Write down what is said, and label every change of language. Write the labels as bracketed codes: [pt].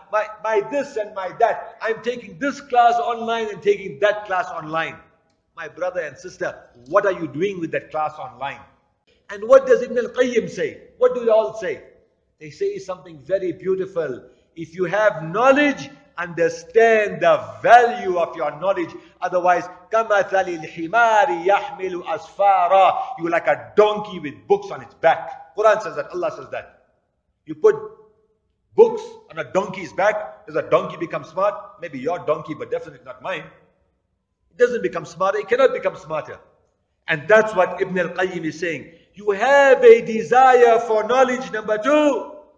[en] My this and my that. I'm taking this class online and taking that class online. My brother and sister, what are you doing with that class online? And what does Ibn al-Qayyim say? What do they all say? They say something very beautiful. If you have knowledge, understand the value of your knowledge. [ar] Otherwise, كَمَثَلِ الْحِمَارِ يَحْمِلُ أَسْفَارًا. [en] You're like a donkey with books on its back. Quran says that, Allah says that. You put books on a donkey's back, does a donkey become smart? Maybe your donkey, but definitely not mine. It doesn't become smarter, it cannot become smarter. And that's what Ibn al-Qayyim is saying. You have a desire for knowledge, number two.